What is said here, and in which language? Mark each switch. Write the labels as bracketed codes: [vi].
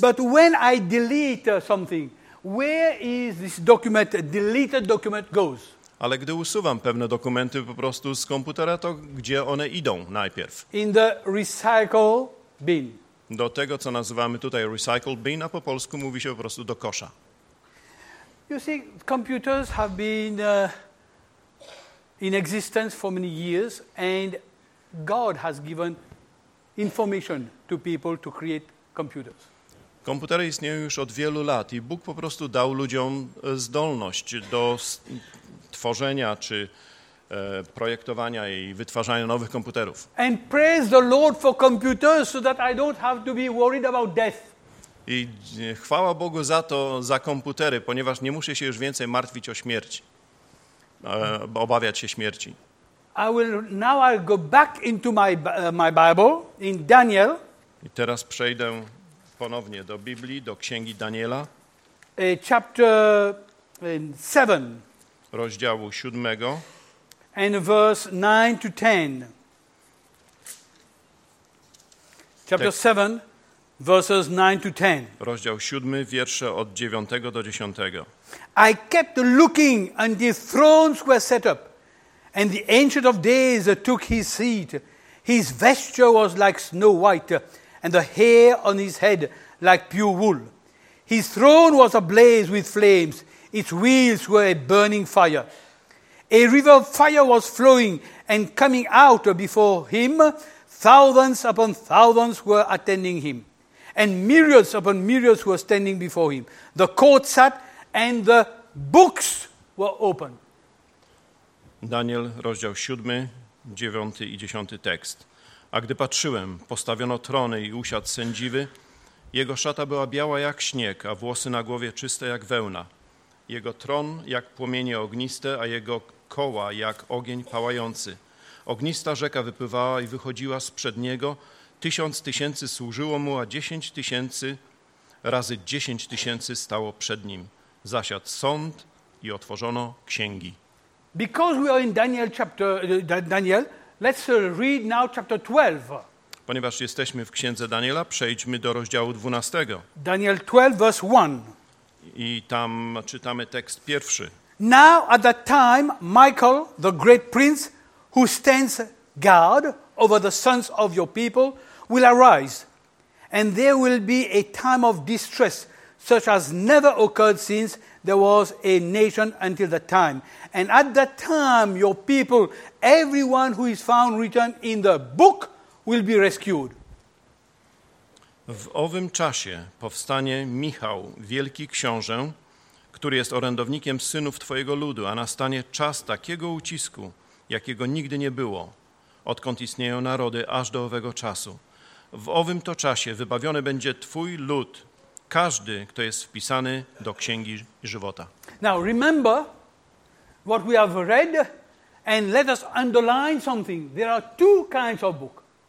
[en] But when I delete something, where is this document, deleted document goes? [pl] Ale gdy usuwam pewne dokumenty po prostu z komputera, to gdzie one idą najpierw? [en] In the recycle bin. [pl] Do tego, co nazywamy tutaj recycle bin, a po polsku mówi się po prostu do kosza. [en] You see, computers have been in existence for many years, and God has given information to people to create computers. [pl] Komputery istnieją już od wielu lat i Bóg po prostu dał ludziom zdolność do tworzenia czy projektowania i wytwarzania nowych komputerów. [en] And praise the Lord for computers so that I don't have to be worried about death. [pl] I chwała Bogu za to, za komputery, ponieważ nie muszę się już więcej martwić o śmierć, obawiać się śmierci. [en] I'll go back into my Bible, in Daniel. [pl] I teraz przejdę ponownie do Biblii, do Księgi Daniela. [en] Chapter 7. [pl] Rozdziału 7. [en] And verse 9 to 10. Chapter 7. Verses 9 to 10. [pl] Rozdział 7, wiersze od 9 do 10. [en] I kept looking and the thrones were set up and the Ancient of Days took his seat. His vesture was like snow white and the hair on his head like pure wool. His throne was ablaze with flames. Its wheels were a burning fire. A river of fire was flowing and coming out before him. Thousands upon thousands were attending him. And myriads upon myriads were standing before him. The court sat and the books were open. [pl] Daniel, rozdział 7, 9 i 10 tekst. A gdy patrzyłem, postawiono trony i usiadł sędziwy. Jego szata była biała jak śnieg, a włosy na głowie czyste jak wełna. Jego tron jak płomienie ogniste, a jego koła jak ogień pałający. Ognista rzeka wypływała i wychodziła sprzed niego. 1000 tysięcy służyło mu, a 10 tysięcy razy 10 tysięcy stało przed nim. Zasiadł sąd i otworzono księgi. [en] Because we are in Daniel chapter, Daniel, let's read now chapter 12. [pl] Ponieważ jesteśmy w księdze Daniela, przejdźmy do rozdziału 12. [en] Daniel 12, verse 1. [pl] I tam czytamy tekst pierwszy. [en] Now at that time, Michael, the great prince, who stands guard over the sons of your people, will arise. And there will be a time of distress, such as never occurred since there was a nation until that time. And at that time, your people, everyone who is found written in the book, will be rescued. [pl] W owym czasie powstanie Michał, wielki książę, który jest orędownikiem synów Twojego ludu, a nastanie czas takiego ucisku, jakiego nigdy nie było, odkąd istnieją narody, aż do owego czasu. W owym to czasie wybawiony będzie Twój lud, każdy, kto jest wpisany do Księgi Żywota. [en] Now remember what we have read and let us underline something. There are two kinds of book.